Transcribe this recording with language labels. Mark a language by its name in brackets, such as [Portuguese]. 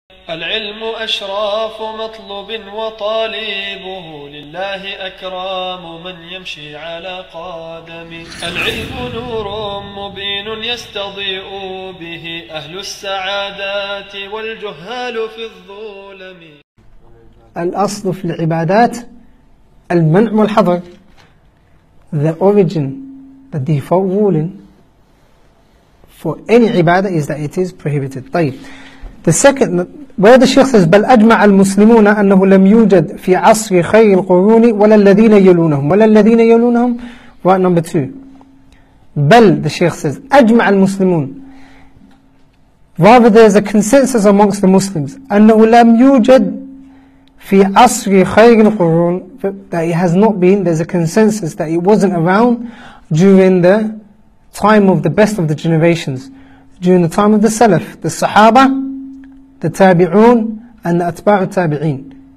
[Arabic] العلم أشراف مطلب وطالبه لله أكرام من يمشي على قدم. العلم نور مبين يستضيء به أهل السعادات والجهال في الظلم. الأصل في العبادات المنع والحظر. [English] The origin, the default ruling for any عبادة is that it is prohibited. [Arabic] طيب. [English] The second, where the Sheikh says, [Arabic] بل أجمع المسلمون أنه لم يوجد في عصر خير القرون ولا الذين يلونهم ولا الذين يلونهم. [English] Right, number two. بل, the Sheikh says, [Arabic] أجمع المسلمون. [English] Rather, there is a consensus amongst the Muslims [Arabic] أنه لم يوجد في عصر خير القرون, [English] that it has not been, there's a consensus that it wasn't around during the time of the best of the generations, during the time of the Salaf, the Sahaba, the Tabi'un, and the Atba'u Tabi'een.